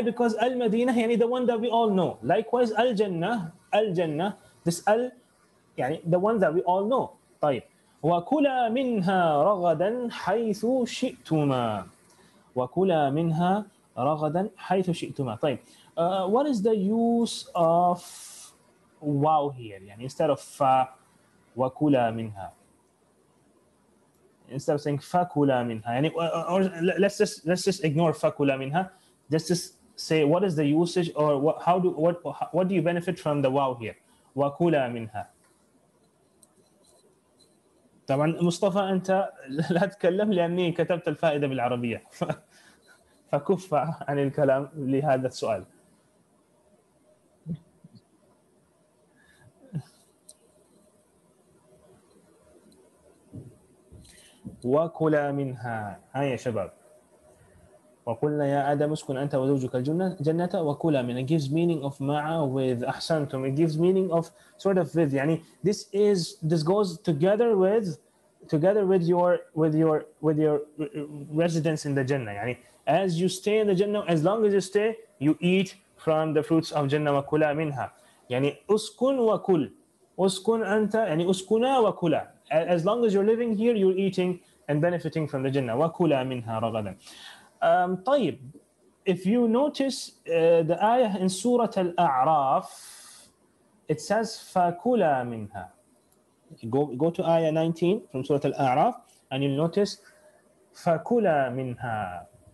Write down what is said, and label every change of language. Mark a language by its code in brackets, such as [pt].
[en] Because Al-Madina, يعني the one that we all know. Likewise, الجنة. الجنة. This Al, يعني the one that we all know. [ar] طيب. وكلا منها رغدا حيث شئتما. وكلا منها رغدا حيث شئتما. [en] طيب what is the use of واو here, يعني instead of [ar] فا وكلا منها, [en] instead of saying [ar] فكلا منها, [en] يعني or let's just ignore فكلا منها, just say what is the usage or what do you benefit from the واو here, [ar] وكلا منها. طبعا مصطفى انت لا تتكلم لاني كتبت الفائده بالعربيه, فكف عن الكلام لهذا السؤال. وكلا منها. هيا شباب. وقلنا يا آدم اسكن أنت وزوجك الجنة وكلا منها. [en] It gives meaning of مع with أحسنتم. It gives meaning of sort of with. يعني this is this goes together with your residence in the Jannah. يعني as you stay in the Jannah, as long as you stay, you eat from the fruits of Jannah [ar] وكلا منها. يعني اسكن وكل. اسكن أنت يعني اسكنا وكلا. [en] As long as you're living here, you're eating and benefiting from the Jannah. [ar] وكلا منها رغدا. طيب, [en] if you notice the ayah in Surah Al-A'raf, it says [ar] فكلا منها. [en] Go to ayah 19 from Surah Al-A'raf and you'll notice [ar] فكلا منها.